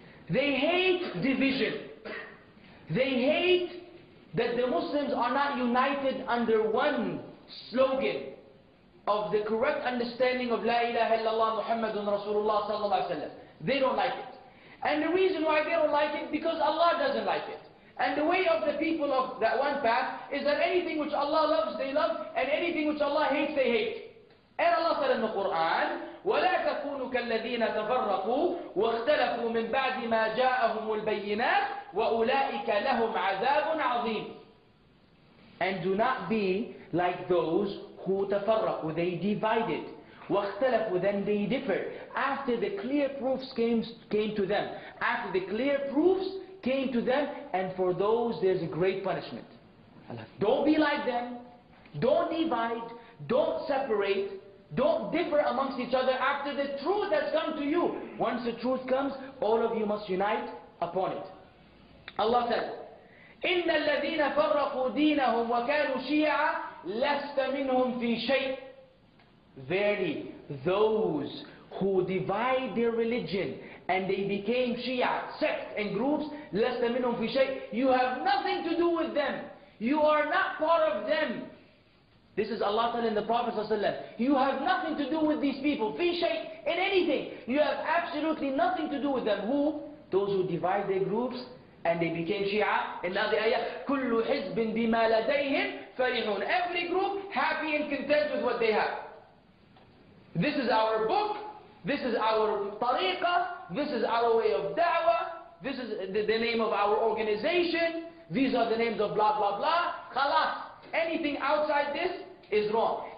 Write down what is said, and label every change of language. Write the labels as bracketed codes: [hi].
[en] They hate division. They hate that the Muslims are not united under one slogan of the correct understanding of La ilaha illallah Muhammadun Rasulullah sallallahu alayhi wa sallam. They don't like it. And the reason why they don't like it, because Allah doesn't like it. And the way of the people of that one path is that anything which Allah loves, they love, and anything which Allah hates, they hate. And Allah said in the Quran, [ar] وَلَا تَكُونُ كَالَّذِينَ تَفَرَّقُوا وَاخْتَلَفُوا مِنْ بَعْدِ مَا جَاءَهُمُ الْبَيِّنَاتِ وَأُولَٰئِكَ لَهُمْ عَذَابٌ عَظِيمٌ. [en] And do not be like those who [ar] تَفَرَّقُوا, [en] they divided. [ar] وَاخْتَلَفُوا, [en] then they differed. After the clear proofs came to them. After the clear proofs came to them, and for those there's a great punishment. Don't be like them. Don't divide. Don't separate. Don't differ amongst each other after the truth has come to you. Once the truth comes, all of you must unite upon it. Allah said, [ar] إِنَّ الَّذِينَ فَرَّقُوا دِينَهُمْ وَكَانُوا شِيَعًا لَسْتَ مِنْهُمْ فِي شَيْءٍ. [en] Verily, those who divide their religion and they became Shia, sect and groups, [ar] لَسْتَ مِنْهُمْ فِي شَيْءٍ. [en] You have nothing to do with them. You are not part of them. This is Allah telling the Prophet ﷺ. You have nothing to do with these people. Fi shay, in anything. You have absolutely nothing to do with them. Who? Those who divide their groups and they became Shia. And now the ayah, [ar] كُلُّ حِزْبٍ بِمَا لَدَيْهِمْ فَرِحُونَ. [en] Every group happy and content with what they have. This is our book. This is our tariqah. This is our way of da'wah. This is the name of our organization. These are the names of blah, blah, blah. Khalas. Anything outside this, is wrong.